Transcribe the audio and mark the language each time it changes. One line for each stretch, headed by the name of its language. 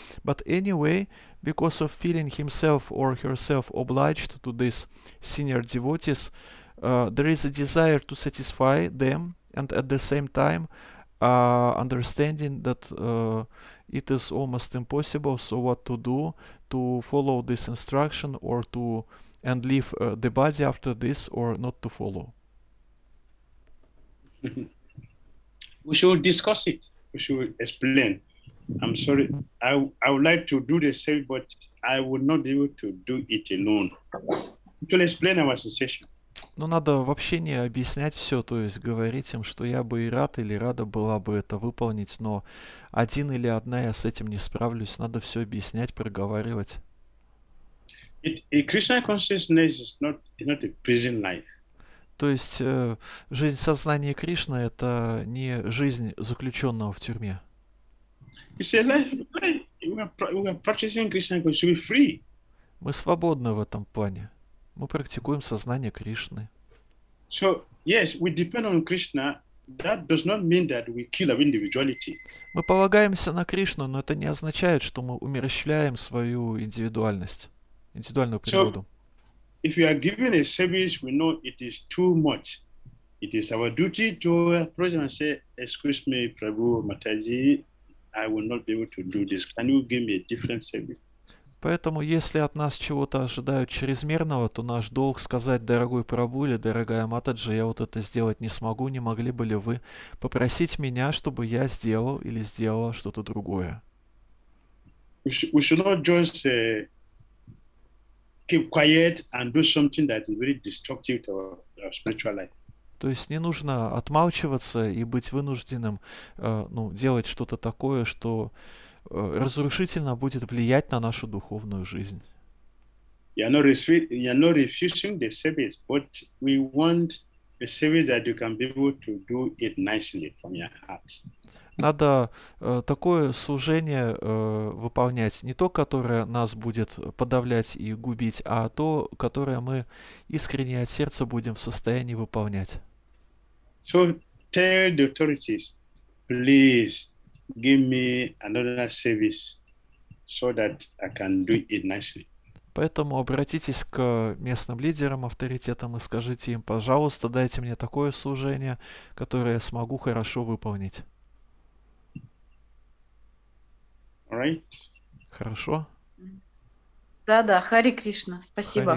English: But anyway, because of feeling himself or herself obliged to this senior devotees, there is a desire to satisfy them, and at the same time understanding that it is almost impossible, so what to do, to follow this instruction or to and leave the body after this, or not to follow. We should discuss it, we should explain. I'm sorry, I would like to do the same, but I would not be able to do it alone. We should explain our situation.
Russian: Ну, надо вообще не объяснять все, то есть говорить им, что я бы и рад или рада была бы это выполнить, но один или одна я с этим не справлюсь. Надо все объяснять, проговаривать.
English: Krishna consciousness is not a prison life.
Russian: То есть жизнь сознания Кришны — это не жизнь заключенного в тюрьме.
English: It's a life. We are practicing Krishna consciousness. We're free.
Russian: Мы свободны в этом плане. Мы практикуем сознание Кришны.
English: So, yes, we depend on Krishna. That does not mean that we kill our individuality.
Russian: Мы полагаемся на Кришну, но это не означает, что мы умерщвляем свою индивидуальность, индивидуальную природу.
English: So, if we are given a service, we know it is too much. It is our duty to approach and say, excuse me, Prabhu Mataji, I will not be able to do this. Can you give me a different service?
Russian: Поэтому, если от нас чего-то ожидают чрезмерного, то наш долг сказать, дорогой Прабу или дорогая Матаджи, я вот это сделать не смогу, не могли бы ли вы попросить меня, чтобы я сделал или сделала что-то другое.
English: We should not just keep quiet and do something that is very destructive to our spiritual life.
Russian: То есть не нужно отмалчиваться и быть вынужденным делать что-то такое, что разрушительно будет влиять на нашу духовную жизнь.
English: You're not refusing the service, but we want a service that you can be able to do it nicely from your heart.
Russian: Надо такое служение выполнять, не то, которое нас будет подавлять и губить, а то, которое мы искренне от сердца будем в состоянии выполнять.
English: So tell the authorities, please, give me another service so that I can do it nicely.
Russian: Поэтому обратитесь к местным лидерам, авторитетам и скажите им, пожалуйста, дайте мне такое служение, которое я смогу хорошо выполнить.
English: All right.
Russian: Хорошо? Да-да, Хари Кришна, спасибо.